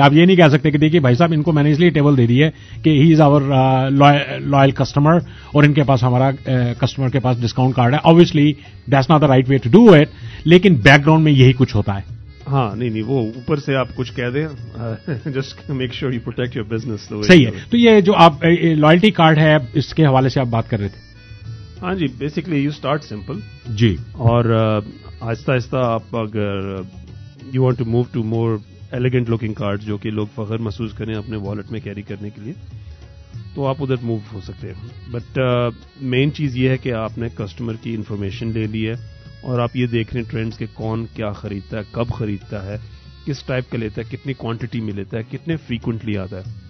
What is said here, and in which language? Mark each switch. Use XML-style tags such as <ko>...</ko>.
<ur>آپ یہ نہیں کہہ سکتے کہ دیکھیے بھائی صاحب ان کو میں نے اس لیے ٹیبل دے دی ہے کہ</ur> <en>he is our loyal customer</en> <ur>اور ان کے پاس ہمارا کسٹمر کے پاس ڈسکاؤنٹ کارڈ ہے.</ur> <en>obviously that's not the right way to do it</en> <ur>لیکن بیک گراؤنڈ میں یہی کچھ ہوتا ہے. ہاں نہیں نہیں وہ اوپر سے آپ کچھ کہہ دیں</ur> <en>Just make sure you protect your business.</en> <ur>صحیح ہے. تو یہ جو آپ لائلٹی کارڈ ہے اس کے حوالے سے آپ بات کر رہے تھے.</ur> <en>ہاں جی basically you start simple</en> <ur>جی اور آہستہ آہستہ آپ اگر</ur> <en>you want to move to more elegant looking card</en> <ur>جو کہ لوگ فخر محسوس کریں اپنے والٹ میں کیری کرنے کے لیے تو آپ ادھر موو ہو سکتے ہیں. بٹ مین چیز یہ ہے کہ آپ نے کسٹمر کی انفارمیشن لے لی ہے اور آپ یہ دیکھ رہے ہیں ٹرینڈز کہ کون کیا خریدتا ہے کب خریدتا ہے کس ٹائپ کا لیتا ہے کتنی کوانٹٹی میں لیتا ہے کتنے فریکوینٹلی آتا ہے.</ur>